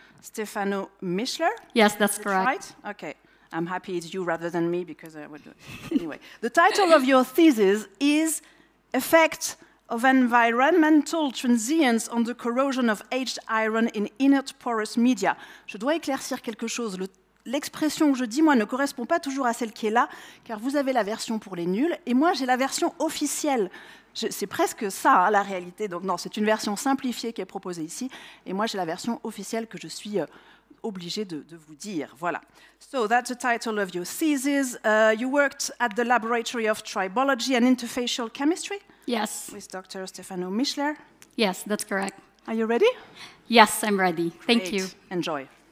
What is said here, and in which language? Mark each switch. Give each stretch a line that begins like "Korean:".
English: Stefano Mischler. Yes, that's correct. Right? Okay. I'm happy it's you rather than me because I would do it. Anyway, the title of your thesis is Effect of Environmental Transience on the Corrosion of Aged Iron in Inert Porous Media.
French: Je dois éclaircir quelque chose. L'expression que je dis, moi, ne correspond pas toujours à celle qui est là, car vous avez la version pour les nuls, et moi, j'ai la version officielle. C'est presque ça, hein, la réalité. Donc non, c'est une version simplifiée qui est proposée ici, et moi, j'ai la version officielle que je suis obligée de vous dire.
English: Voilà. So, that's the title of your thesis. You worked at the Laboratory of Tribology and Interfacial Chemistry? Yes. With Dr. Stefano Mischler? Yes, that's correct. Are you ready? Yes, I'm ready. Thank Great. You. Enjoy.